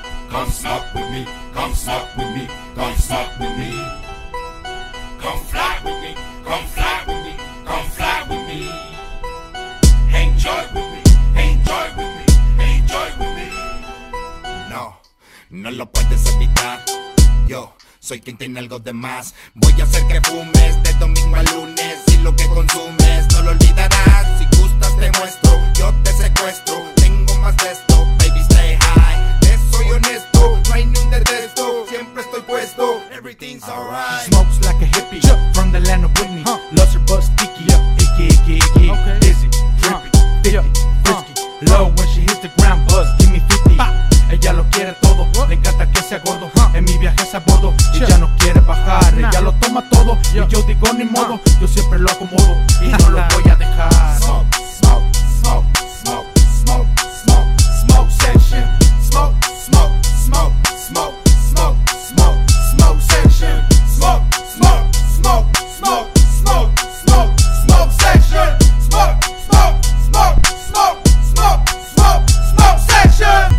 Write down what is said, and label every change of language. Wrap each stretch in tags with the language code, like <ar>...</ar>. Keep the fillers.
<en>Come smoke with me, come smoke with me, come smoke with me. Come fly with me, come fly with me, come fly with me. Enjoy with me, enjoy with me, enjoy with me.</en> <es>No, no lo puedes evitar. Yo soy quien tiene algo de más. Voy a hacer que fumes de domingo a lunes. Y lo que consumes no lo olvidarás. Si gustas, te muestro, yo te secuestro. Tengo más de esto,</es> <en>baby, stay high.</en> <es>Te soy honesto, no hay ni un detesto. Siempre estoy puesto,</es> <en>everything's alright. Smokes like a hippie from the land of Whitney. Loves her butt sticky, icky, icky, icky. Okay. Dizzy, drippy, dippy, frisky. Low when she hits the ground, buzz, give me 50.</en> <es>Ella lo quiere todo, le encanta que sea gordo. En mi viaje es a bordo, ella no quiere bajar. Ella lo toma todo, y yo digo ni modo. Yo siempre lo acomodo y no lo voy a dejar.</es> <en>Smoke, smoke, smoke, smoke, smoke, smoke, smoke section. Smoke, smoke, smoke, smoke, smoke, smoke, smoke section. Smoke, smoke, smoke, smoke, smoke, smoke, smoke section. Smoke, smoke, smoke, smoke, smoke, smoke, smoke section.</en>